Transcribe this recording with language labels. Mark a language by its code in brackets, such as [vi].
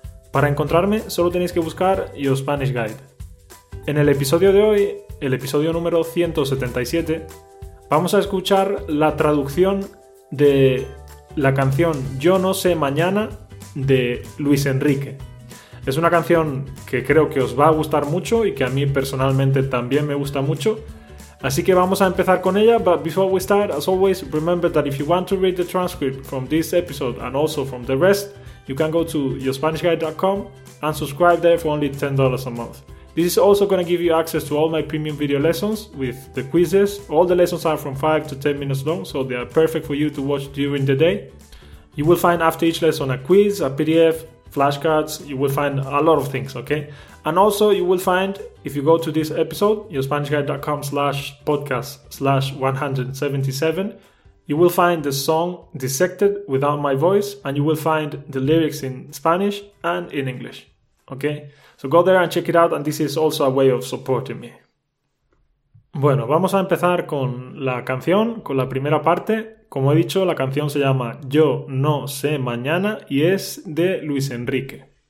[es] Para encontrarme solo tenéis que buscar Your Spanish Guide. En el episodio de hoy, el episodio número 177, vamos a escuchar la traducción de la canción Yo no sé mañana de Luis Enrique. Es una canción que creo que os va a gustar mucho y que a mí personalmente también me gusta mucho. Así que vamos a empezar con ella. [en] But before we start, as always, remember that if you want to read the transcript from this episode and also from the rest, you can go to yourspanishguide.com and subscribe there for only $10 a month. This is also going to give you access to all my premium video lessons with the quizzes. All the lessons are from 5 to 10 minutes long, so they are perfect for you to watch during the day. You will find after each lesson a quiz, a PDF, flashcards, you will find a lot of things, okay? And also you will find, if you go to this episode, yourspanishguide.com/podcast/177, you will find the song Dissected without my voice, and you will find the lyrics in Spanish and in English, okay? So go there and check it out, and this is also a way of supporting me. [es] Bueno, vamos a empezar con la canción, con la primera parte. Como he dicho, la canción se llama Yo no sé mañana y es de Luis Enrique.